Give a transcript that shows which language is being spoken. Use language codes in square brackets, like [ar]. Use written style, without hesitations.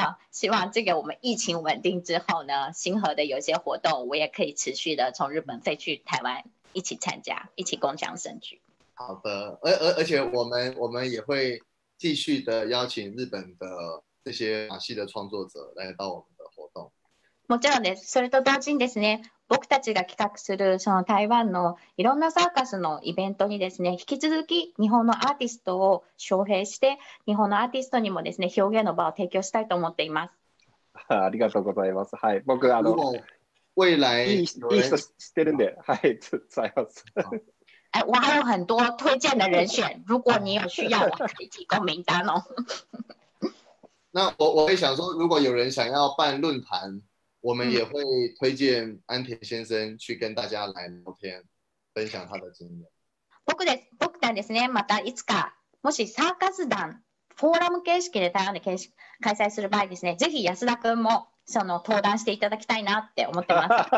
[zh] 希望这个我们疫情稳定之后呢，星河的有些活动我也可以持续的从日本飞去台湾一起参加，一起共享盛举。好的，而且我们也会继续的邀请日本的这些马戏的创作者来到我们的活动。 [ja] もちろんです。それと同時にですね、僕たちが企画するその台湾のいろんなサーカスのイベントにですね、引き続き日本のアーティストを招聘して、日本のアーティストにもですね、表現の場を提供したいと思っています。ありがとうございます。はい、僕あの未来いい人知ってるんで、はい、伝えます。 [zh] 哎，我还有很多推荐的人选，如果你有需要，我可以提供名单哦。那我也想说，如果有人想要办论坛，我们也会推荐安田先生去跟大家来聊天，分享他的经验。 [ja] 僕たちですね、またいつかもしサーカス団フォーラム形式で台湾で形式開催する場合ですね、ぜひ安田君もその登壇していただきたいなって思ってます。